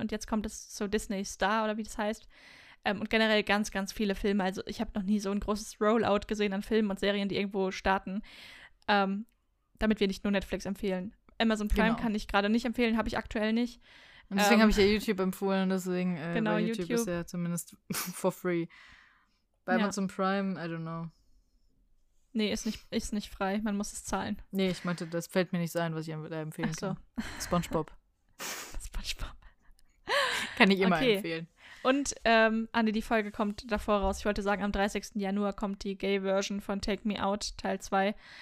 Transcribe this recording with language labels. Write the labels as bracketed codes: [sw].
[de] Und jetzt kommt es zu Disney Star oder wie das heißt. Und generell ganz, ganz viele Filme. Also ich habe noch nie so ein großes Rollout gesehen an Filmen und Serien, die irgendwo starten. Damit wir nicht nur Netflix empfehlen. Amazon Prime kann ich gerade nicht empfehlen, habe ich aktuell nicht. Und deswegen habe ich ja YouTube empfohlen, deswegen YouTube ist ja zumindest [en] for free. Bei Amazon Prime, I don't know. [de] Nee, ist nicht frei, man muss es zahlen. Nee, ich meinte, das fällt mir nicht ein, was ich da empfehlen kann. SpongeBob. SpongeBob. Kann ich immer empfehlen. Und, Anne, die Folge kommt davor raus. Ich wollte sagen, am 30. Januar kommt die Gay-Version von Take Me Out, Teil 2.